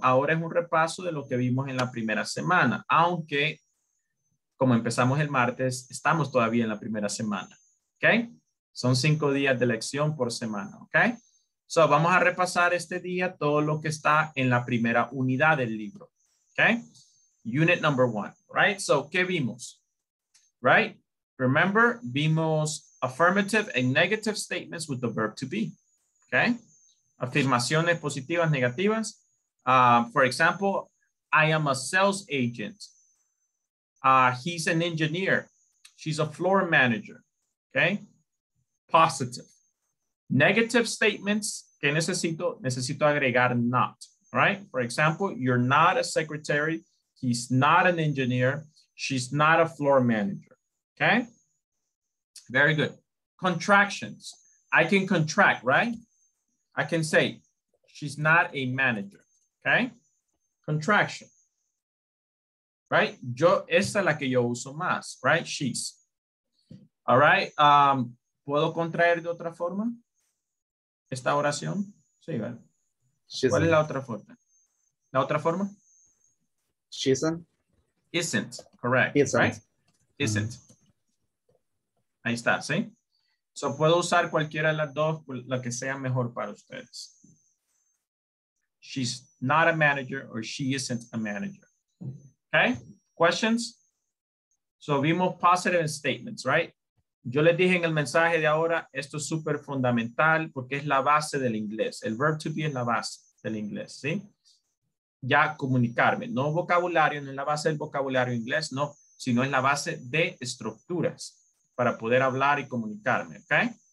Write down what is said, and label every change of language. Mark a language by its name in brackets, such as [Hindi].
[Spanish] Ahora es un repaso de lo que vimos en la primera semana. Aunque, como empezamos el martes, estamos todavía en la primera semana. Okay, son 5 días de lección por semana. Okay. So, vamos a repasar este día todo lo que está en la primera unidad del libro. [English] Okay? Unit number one, right? So, [Spanish] ¿qué vimos? [English] Right? Remember, [Spanish] vimos [English] affirmative and negative statements with the verb to be. [Spanish] Okay? Afirmaciones positivas, negativas. [English] For example, I am a sales agent. He's an engineer. She's a floor manager. Okay? Positive. Negative statements. [Spanish] ¿Qué necesito? Necesito agregar not, right? [English] For example, you're not a secretary. He's not an engineer. She's not a floor manager, okay? Very good. Contractions. I can contract, right? I can say, she's not a manager, okay? Contraction, right? [Spanish] Yo, esa es la que yo uso más, right? [English] She's, all right? [Spanish] ¿Puedo contraer de otra forma? Esta oración, sí, ¿vale? [English] She's [Spanish] ¿cuál es la otra forma? ¿La otra forma? [English] Isn't, correct, isn't. Right? Isn't. [Spanish] Mm-hmm. Ahí está, ¿sí? So, puedo usar cualquiera de las dos, la que sea mejor para ustedes. [English] She's not a manager or she isn't a manager. Okay, questions? So, [Spanish] vimos [English] positive statements, right? [Spanish] Yo les dije en el mensaje de ahora, esto es súper fundamental porque es la base del inglés. El verb to be es la base del inglés, ¿sí? Ya comunicarme, no vocabulario, no es la base del vocabulario inglés, no, sino es la base de estructuras para poder hablar y comunicarme, ¿ok?